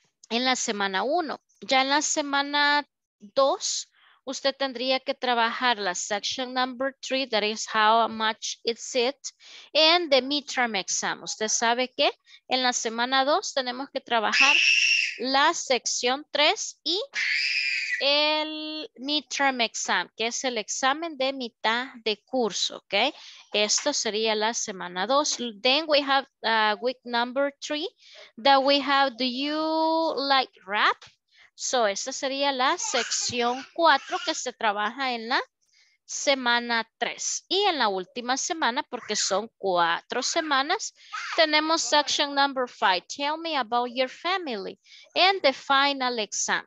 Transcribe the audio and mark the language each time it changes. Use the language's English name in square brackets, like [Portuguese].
[Spanish] En la semana 1. Ya en la semana 2, usted tendría que trabajar la [English] section number 3, that is how much is it, and the midterm exam. [Spanish] Usted sabe que en la semana 2 tenemos que trabajar la sección 3 y el midterm exam, que es el examen de mitad de curso, ¿ok? Esto sería la semana 2. [English] Then we have week number 3, that we have, do you like rap? So, [Spanish] esa sería la sección 4 que se trabaja en la semana 3. Y en la última semana, porque son 4 semanas, tenemos [English] section number 5. Tell me about your family. And the final exam.